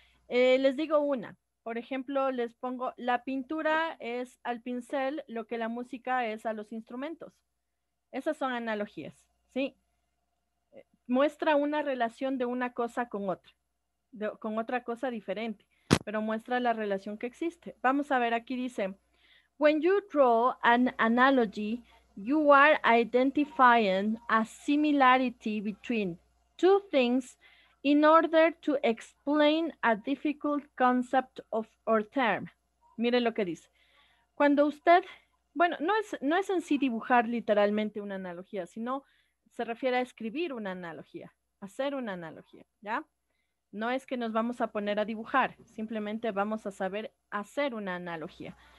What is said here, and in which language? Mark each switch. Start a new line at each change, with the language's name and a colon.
Spanish: Les digo una. Por ejemplo, les pongo, la pintura es al pincel lo que la música es a los instrumentos. Esas son analogías, ¿sí? Muestra una relación de una cosa con otra, con otra cosa diferente, pero muestra la relación que existe. Vamos a ver, aquí dice,
English: when you draw an analogy, you are identifying a similarity between two things in order to explain a difficult concept of or term.
Spanish: Mire lo que dice. Cuando usted, bueno, no es en sí dibujar literalmente una analogía, sino se refiere a escribir una analogía, hacer una analogía, ¿ya? No es que nos vamos a poner a dibujar, simplemente vamos a saber hacer una analogía.